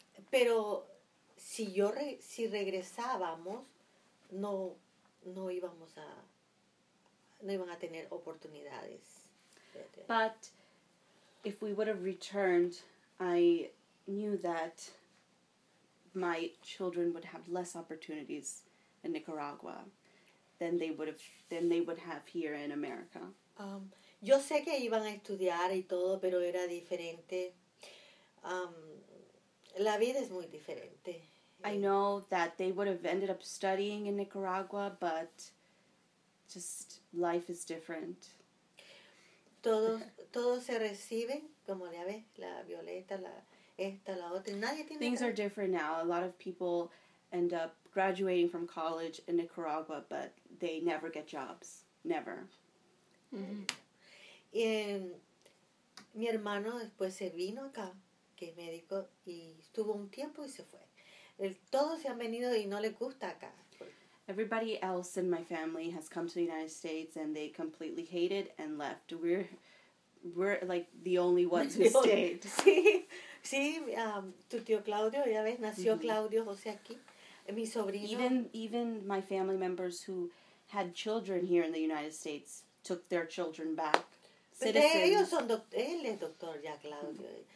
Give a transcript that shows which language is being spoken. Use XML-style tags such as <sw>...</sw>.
<es>Pero... Si regresábamos, no íbamos a, no iban a tener oportunidades.</es> <en>But if we would have returned, I knew that my children would have less opportunities in Nicaragua than they would have here in America.</en> <es>Yo sé que iban a estudiar y todo, pero era diferente. La vida es muy diferente.</es> <en>I know that they would have ended up studying in Nicaragua, but just life is different.</en> <es>todo se recibe, como ya ves, la violeta, la esta, la otra. Nadie tiene</es> <en>Things are different now. A lot of people end up graduating from college in Nicaragua, but they never get jobs. Never. Mm-hmm.</en> <es>Mi hermano después se vino acá, que es médico, y estuvo un tiempo y se fue. Todos se han venido y no les gusta acá.</es> <en>Everybody else in my family has come to the United States and they completely hate it and left. We're like the only ones who stayed.</en> <es>Sí, tu tío Claudio, ya ves, nació mm-hmm. Claudio José aquí. Mi sobrino.</es> <en>Even my family members who had children here in the United States took their children back. Citizens.</en> <es>Pero ellos son él es doctor ya, Claudio.</es>